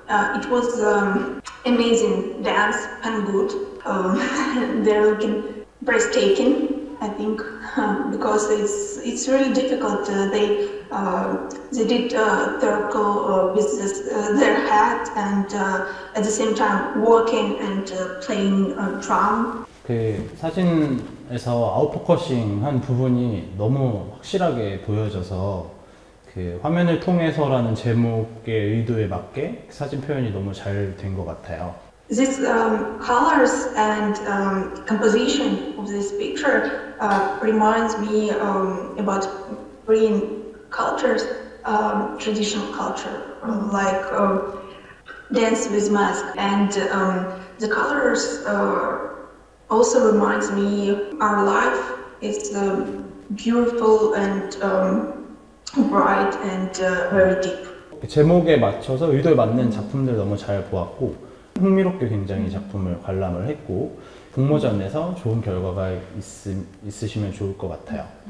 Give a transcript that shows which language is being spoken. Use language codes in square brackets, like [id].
[en] It was amazing dance and good. They're looking breathtaking, I think, because it's really difficult. They did circle with their head and at the same time walking and playing drum. [ko] 그 사진에서 아웃포커싱 한 부분이 너무 확실하게 보여져서 그 화면을 통해서라는 제목의 의도에 맞게 사진 표현이 너무 잘 된 것 같아요. [en] This colors and composition of this picture reminds me about Korean cultures, traditional culture, like dance with mask and the colors also reminds me our life is beautiful and bright and very deep. [ko] 제목에 맞춰서 의도에 맞는 작품들 너무 잘 보았고 흥미롭게 굉장히 작품을 관람을 했고 공모전에서 좋은 결과가 있으시면 좋을 것 같아요.